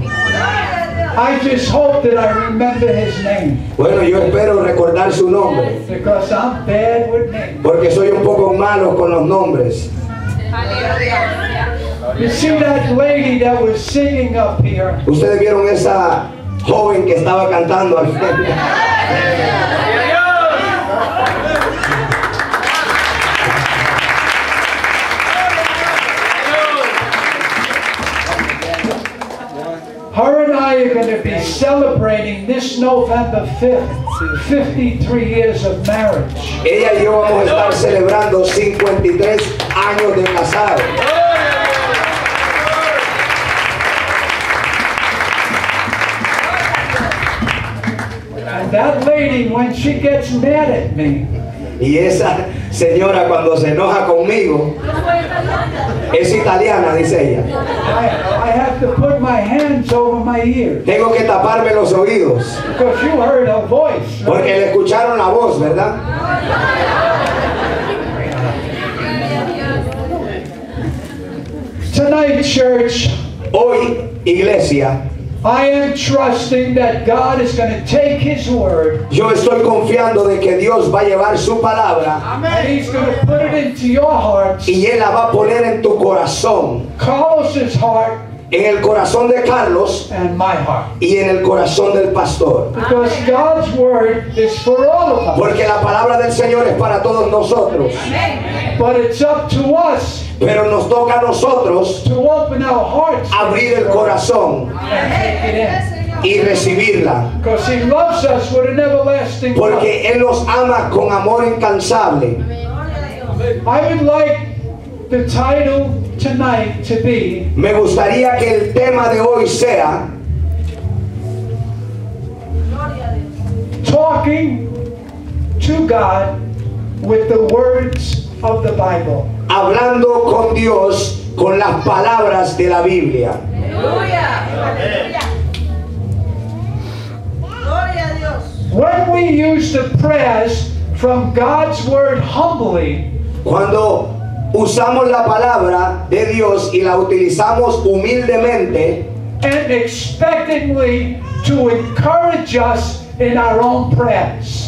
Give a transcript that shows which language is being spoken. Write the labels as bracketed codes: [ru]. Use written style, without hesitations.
[en] I just hope that I remember his name. [es] Bueno, yo espero recordar su nombre. [en] Because I'm bad with names. [es] Porque soy un poco malo con los nombres. [en] You see that lady that was singing up here? [es] Ustedes vieron esa joven que estaba cantando al frente. [en] Her and I are going to be celebrating this November 5th, 53 years of marriage. [es] Ella y yo vamos a estar celebrando 53 años de casado. [en] And that lady, when she gets mad at me, [es] y esa señora cuando se enoja conmigo, es italiana, dice ella. [en] I have to put my hands over my ears. [es] Tengo que taparme los oídos. [en] Because you heard a voice. Right? [es] Porque le escucharon la voz, ¿verdad? [en] Tonight, church. [es] Hoy, iglesia. [en] I am trusting that God is going to take His word. [es] Yo estoy confiando de que Dios va a llevar su palabra. [en] Amen. And He's going to put it into your heart. [es] Y él la va a poner en tu corazón. [en] Carlos's heart. [es] en el corazón de Carlos [en] and my heart. [es] Y en el corazón del pastor. [en] Because God's word is for all of us. [es] Porque la palabra del Señor es para todos nosotros. [en] But it's up to us. [es] Pero nos toca a nosotros [en] to open our hearts, [es] abrir el corazón y recibirla. [en] Because he loves us with an everlasting [es] porque Él nos ama con amor incansable. [en] I would like the title tonight to be, [es] me gustaría que el tema de hoy sea [en] talking to God with the words of the Bible. [es] Hablando con Dios con las palabras de la Biblia. Aleluya. Gloria a Dios. [en] When we use the prayers from God's word humbly, [es] cuando usamos la palabra de Dios y la utilizamos humildemente, [en] and expectantly to encourage us in our own prayers,